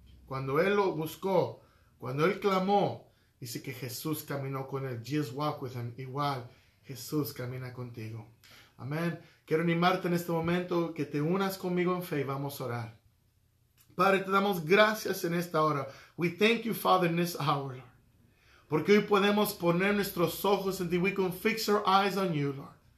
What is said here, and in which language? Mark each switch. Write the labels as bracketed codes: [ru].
[es] Cuando él lo buscó, cuando él clamó, dice que Jesús caminó con él. [en] Just walk with him. [es] Igual, Jesús camina contigo. Amén. Quiero animarte en este momento que te unas conmigo en fe y vamos a orar. Padre, te damos gracias en esta hora. [en] We thank you, Father, in this hour, Lord. [es] Porque hoy podemos poner nuestros ojos en ti. [en] We can fix our eyes on you, Lord.